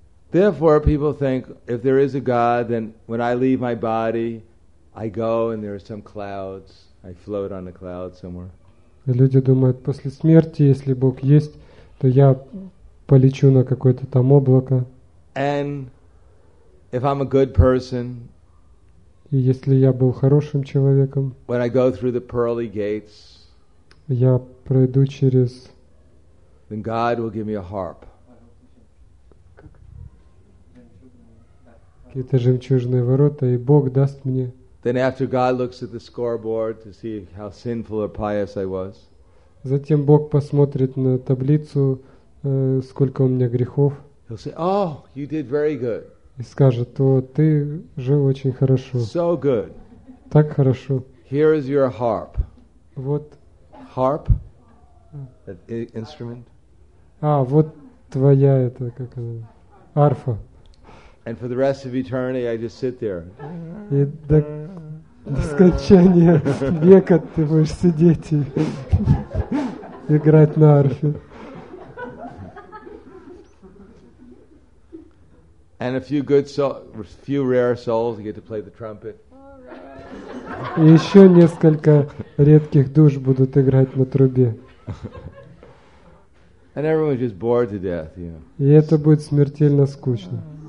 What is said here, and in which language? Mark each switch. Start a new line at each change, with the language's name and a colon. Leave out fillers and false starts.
English: Therefore, people think if there is a God, then when I leave my body, I go and there are some clouds. I float on a cloud somewhere.
Russian: Люди думают, после смерти, если Бог есть, то я полечу на какое-то там облако.
English: And if I'm a good person,
Russian: и если я был хорошим человеком,
English: when I go through the pearly gates,
Russian: я пройду через,
English: then God will give me a harp.
Russian: Какие-то жемчужные ворота, и Бог даст мне.
English: Then after God looks at the scoreboard to see how sinful or pious I was.
Russian: Затем Бог посмотрит на таблицу, сколько у меня грехов.
English: He'll say, "Oh, you did very good."
Russian: И скажет, то ты жил очень хорошо.
English: So good.
Russian: Так хорошо.
English: Here is your harp.
Russian: Вот.
English: Harp. That instrument.
Russian: А вот твоя это как она? Арфа.
English: And for the rest of eternity, I just sit there.
Russian: И до скончания века ты будешь сидеть и играть на арфе.
English: And a few good souls, few rare souls, get to play the trumpet.
Russian: И еще несколько редких душ будут играть на трубе.
English: And everyone's just bored to death, you know.
Russian: И это будет смертельно скучно.